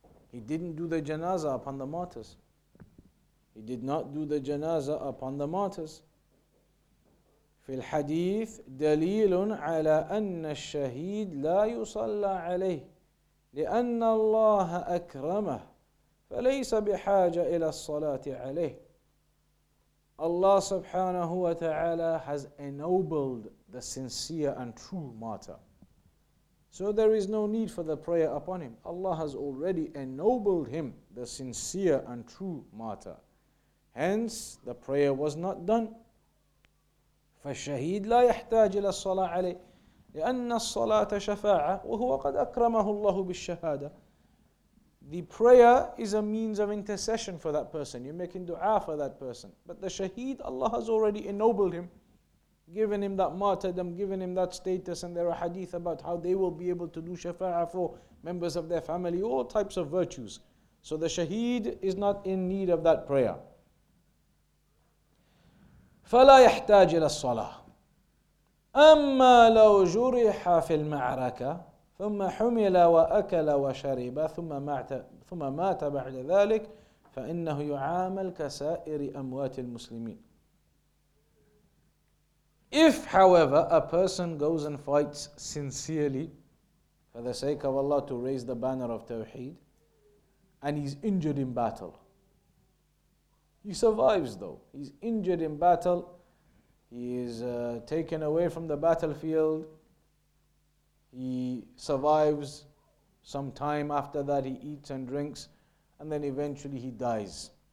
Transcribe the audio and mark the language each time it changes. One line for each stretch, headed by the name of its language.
English: He didn't do the janazah upon the martyrs. He did not do the janazah upon the martyrs.
Arabic: في الحديث دليل على أن الشهيد لا يصلى عليه لأن الله أكرمه فليس بحاجة إلى الصلاة عليه.
English: Allah subhanahu wa ta'ala has ennobled the sincere and true martyr, so there is no need for the prayer upon him. Allah has already ennobled him, the sincere and true martyr. Hence, the prayer was not done.
Arabic: فالشهيد لا يحتاج إلى الصلاة عليه لأن الصلاة شفاعة وهو قد أكرمه الله بالشهادة.
English: The prayer is a means of intercession for that person. You're making dua for that person. But the shaheed, Allah has already ennobled him, given him that martyrdom, given him that status, and there are hadith about how they will be able to do shafa'ah for members of their family, all types of virtues. So the shaheed is not in need of that prayer.
Arabic: فَلَا يَحْتَاجِ إِلَى الصَّلَاةِ أَمَّا لَوْ جُرِحَ فِي الْمَعْرَكَةِ ثُمَّ حُمِلَ وَأَكَلَ وَشَرِبَ ثُمَّ مَاتَ بَعْدَ ذَلِكَ فإنه يعامل كسائر أموات المسلمين.
English: If, however, a person goes and fights sincerely for the sake of Allah to raise the banner of Tawheed, and he's injured in battle, he survives though. He's injured in battle, he is taken away from the battlefield, he survives some time after that, he eats and drinks, and then eventually he dies.